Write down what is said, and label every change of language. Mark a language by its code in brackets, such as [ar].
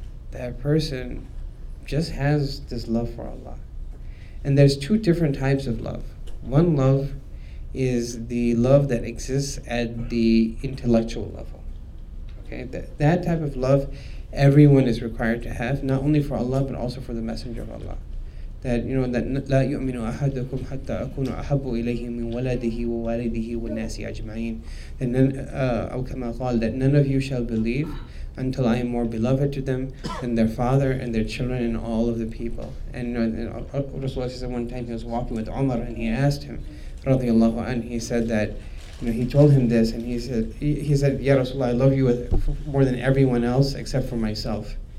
[en] That person just has this love for Allah. And there's two different types of love. One love is the love that exists at the intellectual level. Okay, that type of love everyone is required to have, not only for Allah but also for the Messenger of Allah. That, you know, that [ar] لا يؤمن أحدكم حتى أكون أحب إليه من ولده ووالده والناس أجمعين. [en] That none, [ar] كما قال, [en] that none of you shall believe until I am more beloved to them than their father and their children and all of the people. And Rasulullah said one time he was walking with Umar and he asked him, radiallahu anhu, he said that, you know, he told him this, and he said, Ya Rasulullah, I love you more than everyone else except for myself.